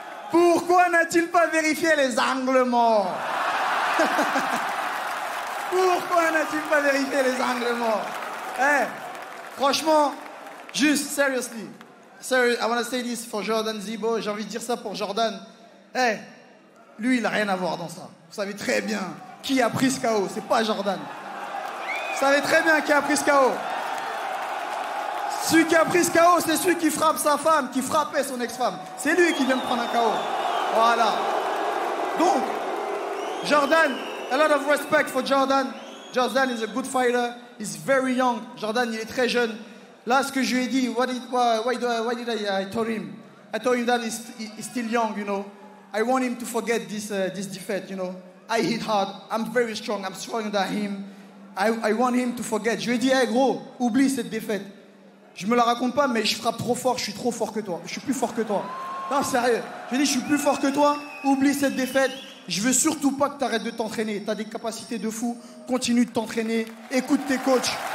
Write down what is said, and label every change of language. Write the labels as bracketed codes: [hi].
[fr] Pourquoi n'a-t-il pas vérifié les angles morts? Pourquoi n'a-t-il pas vérifié les angles morts? Hey, franchement, juste, seriously. [en] Sorry, I want to say this for Jordan Zebo. [fr] J'ai envie de dire ça pour Jordan. Hey, lui, il n'a rien à voir dans ça. Vous savez très bien qui a pris ce KO. C'est pas Jordan. Vous savez très bien qui a pris ce KO. Celui qui a pris ce KO, c'est celui qui frappe sa femme, qui frappait son ex-femme. C'est lui qui vient me prendre un KO. [en] Voilà. Donc, Jordan, a lot of respect for Jordan. Jordan is a good fighter. He's very young. [fr] Jordan, il est très jeune. Là, ce que je lui ai dit, [en] why did I tell him? I told him that he's still young, you know. I want him to forget this defeat, you know. I hit hard. I'm very strong. I'm stronger than him. I want him to forget. [fr] Je lui ai dit, hey, gros, oublie cette défaite. Je me la raconte pas, mais je frappe trop fort, je suis trop fort que toi. Je suis plus fort que toi. Non, sérieux. Je lui ai dit, je suis plus fort que toi. Oublie cette défaite. Je veux surtout pas que tu arrêtes de t'entraîner. Tu as des capacités de fou. Continue de t'entraîner. Écoute tes coachs.